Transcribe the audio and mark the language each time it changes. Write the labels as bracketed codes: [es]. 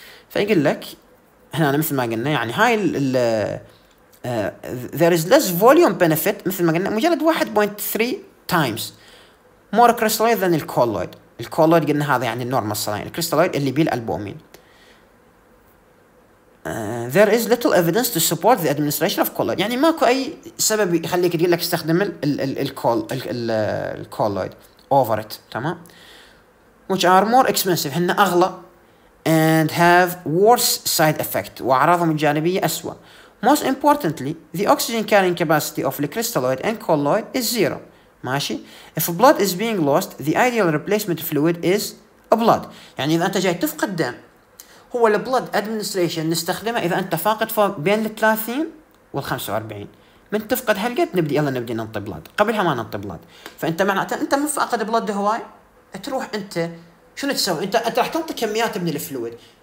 [ar] فيقول لك هنا مثل ما قلنا يعني هاي ال [en] there is less volume benefit، [ar] مثل ما قلنا مجرد [en] 1.3 times more crystalloid than the colloid. [ar] الكولويد قلنا هذا يعني النورمال سلاين، الكريستالويد اللي بيه الالبومين. [en] There is little evidence to support the administration of colloid، [ar] يعني ماكو اي سبب يخليك تقول لك استخدم الكولويد [en] over it. تمام؟ which are more expensive، [ar] هن اغلى [en] and have worse side effect، [ar] واعراضهم الجانبيه اسوء. [en] Most importantly the oxygen carrying capacity of the crystalloid and colloid is zero. [ar] ماشي. [en] If blood is being lost, the ideal replacement fluid is a blood. [ar] يعني إذا أنت جاي تفقد دم، هو [en] the blood administration [ar] نستخدمه إذا أنت فاقد بين 30 و45. من تفقد هالقد نبدي يلا نبدي ننطي blood. قبلها ما ننطي blood. فأنت معناته أنت من فاقد blood هواي، تروح أنت شنو تسوي؟ أنت راح تنطي كميات من الفلويد.